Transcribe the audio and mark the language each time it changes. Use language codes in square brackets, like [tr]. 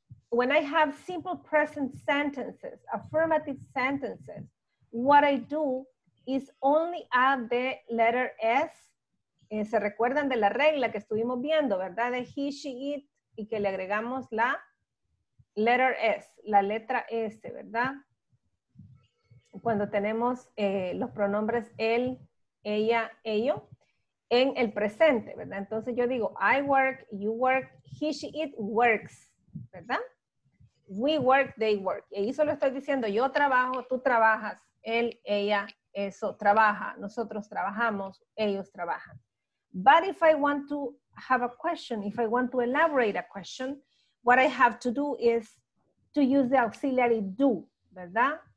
[en] When I have simple present sentences, affirmative sentences, what I do is only add the letter S. [es] Se recuerdan de la regla que estuvimos viendo, ¿verdad? De he, she, it, y que le agregamos la letter S, la letra S, ¿verdad? Cuando tenemos los pronombres él, ella, ello, en el presente, ¿verdad? Entonces yo digo, [en] I work, you work, he, she, it works, [es] ¿verdad? [en] We work, they work. [es] Y ahí solo estoy diciendo, yo trabajo, tú trabajas, él, ella, eso, trabaja, nosotros trabajamos, ellos trabajan. [en] But if I want to have a question, if I want to elaborate a question, what I have to do is to use the auxiliary do, [es] ¿verdad?